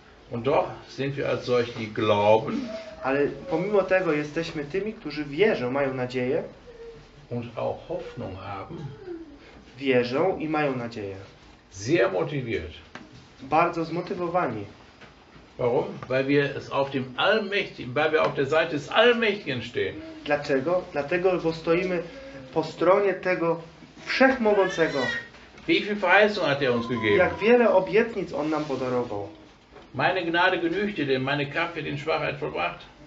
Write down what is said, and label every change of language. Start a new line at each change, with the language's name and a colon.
German: Und doch sind wir als solche, die glauben.
Polish: Ale pomimo tego jesteśmy tymi, którzy wierzą, mają nadzieję.
German: Und auch Hoffnung haben.
Polish: Wierzą i mają nadzieję.
German: Sehr motiviert.
Polish: Bardzo zmotywowani.
German: Warum? Weil wir es auf dem Allmächtigen, weil wir auf der Seite des Allmächtigen stehen.
Polish: Dlaczego? Dlatego, bo stoimy po stronie tego Wszechmogącego.
German: Wie viel Verheißung hat er uns gegeben?
Polish: Jak wiele obietnic on nam podarował.
German: Meine Gnade genügte, denn meine Kraft wird in Schwachheit vollbracht.